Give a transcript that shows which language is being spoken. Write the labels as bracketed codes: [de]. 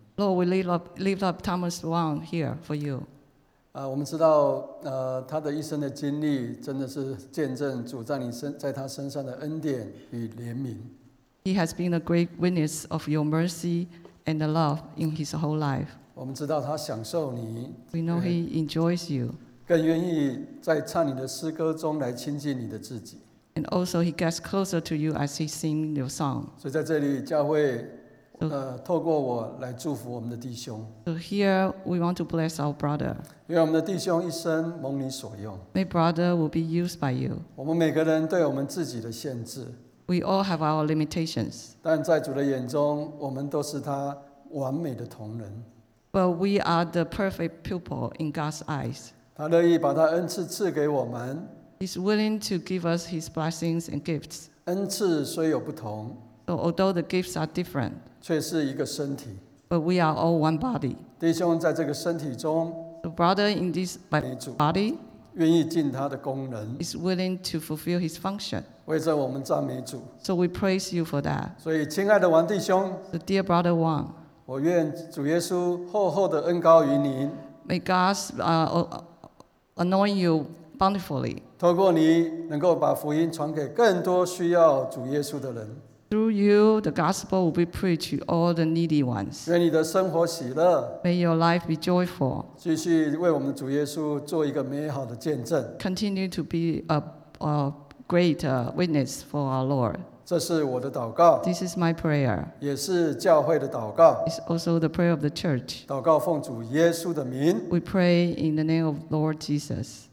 [en] Lord, we lift up Thomas Wong here for you. [zh] 我们知道，他的一生的经历真的是见证主在他身上的恩典与怜悯。 [en] He has been a great witness of your mercy and the love in his whole life. [zh] 我们知道他享受你。 [en] We know he enjoys you. [zh] 更愿意在唱你的诗歌中来亲近你的自己。 [en] And also, he gets closer to you as he sings your song. [zh] 所以在这里，教会，透过我来祝福我们的弟兄。 [en] So here, we want to bless our brother. [zh] 愿我们的弟兄一生蒙你所用。 [en] May brother will be used by you. [zh] 我们每个人对我们自己的限制。 [en] We all have our limitations. [zh] 但在主的眼中，我们都是他完美的同仁。 [en] But we are the perfect pupil in God's eyes. [zh] 他乐意把他恩赐赐给我们。 [en] He's willing to give us his blessings and gifts. [zh] 恩赐虽有不同， [en] so although the gifts are different, [zh] 却是一个身体。 [en] But we are all one body. [zh] 弟兄在这个身体中， [en] the brother in this body, [zh] 愿意尽他的功能， [en] is willing to fulfill his function. [zh] 为这我们赞美主。 [en] So we praise you for that. [zh] 所以亲爱的王弟兄， [en] the dear brother Wang, [zh] 我愿主耶稣厚厚的恩膏于您。 [en] May God anoint you bountifully. [zh] 透过你能够把福音传给更多需要主耶稣的人。 [en] Through you, the gospel will be preached to all the needy ones. [zh] 愿你的生活喜乐。 [en] May your life be joyful. [zh] 继续为我们主耶稣做一个美好的见证。 [en] Continue to be a great witness for our Lord. [zh] 这是我的祷告。 [en] This is my prayer. [zh] 也是教会的祷告。 [en] It's also the prayer of the church. [zh] 祷告奉主耶稣的名。 [en] We pray in the name of Lord Jesus.